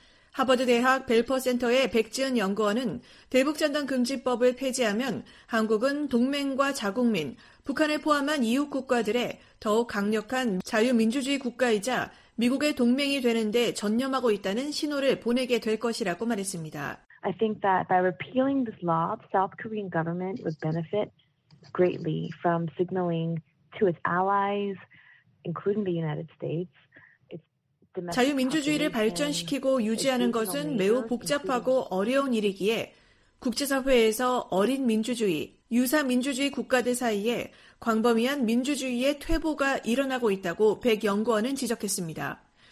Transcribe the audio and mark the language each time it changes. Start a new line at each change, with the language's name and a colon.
Korean: 하버드대학 벨퍼센터의 백지은 연구원은 대북전단금지법을 폐지하면 한국은 동맹과 자국민, 북한을 포함한 이웃 국가들의 더욱 강력한 자유민주주의 국가이자 미국의 동맹이 되는 데 전념하고 있다는 신호를 보내게 될 것이라고 말했습니다.
English: I think that by repealing this law, the South Korean government would benefit greatly from signaling to its allies, including the United States.
Korean: 자유민주주의를 발전시키고 유지하는 것은 매우 복잡하고 어려운 일이기에 국제사회에서 어린 민주주의, 유사 민주주의 국가들 사이에 광범위한 민주주의의 퇴보가 일어나고 있다고 백 연구원은 지적했습니다.